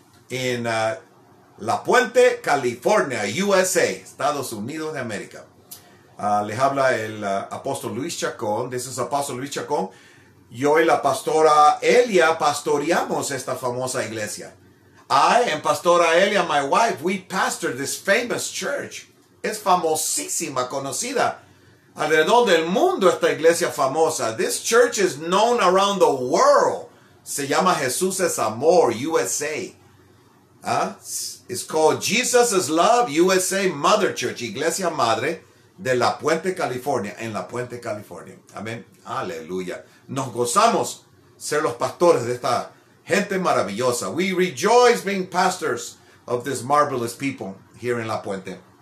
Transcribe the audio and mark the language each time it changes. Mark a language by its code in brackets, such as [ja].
[en] In La Puente, California, USA, Estados Unidos de América. [es] Les habla el apóstol Luis Chacón. [en] This is Apostle Luis Chacón. [es] Yo y la pastora Elia pastoreamos esta famosa iglesia. [en] I and pastora Elia, my wife, we pastor this famous church. [es] Es famosísima, conocida. Alrededor del mundo esta iglesia famosa. [en] This church is known around the world. [es] Se llama Jesús es Amor, USA. [en] It's called Jesus is Love, USA Mother Church, Iglesia Madre de La Puente, California, en La Puente, California. Amén. Aleluya. [es] Nos gozamos ser los pastores de esta gente maravillosa. [en] We rejoice being pastors of this marvelous people here in La Puente.